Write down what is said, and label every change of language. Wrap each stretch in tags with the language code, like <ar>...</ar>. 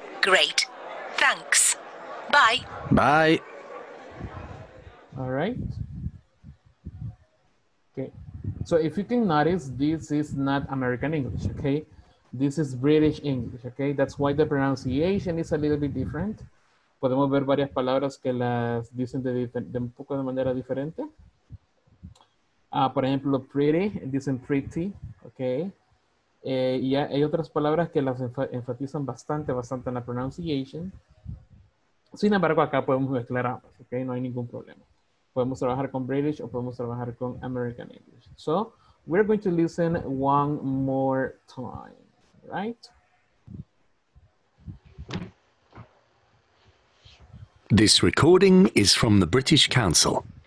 <en>Great. Thanks. Bye. Bye. All right. Okay. So if you can notice, this is not American English, okay? This is British English, okay? That's why the pronunciation is a little bit different.</en> <es>Podemos ver varias palabras que las dicen de un poco de manera diferente. Por ejemplo, pretty, dicen pretty, okay? Y hay otras palabras que las enfatizan bastante, bastante en la pronunciation. Sin embargo, acá podemos mezclar ambas, okay? No hay ningún problema. Podemos trabajar con British o podemos trabajar con American English.</es> <en>So, we're going to listen one more time, right? This recording is from the British Council.</en>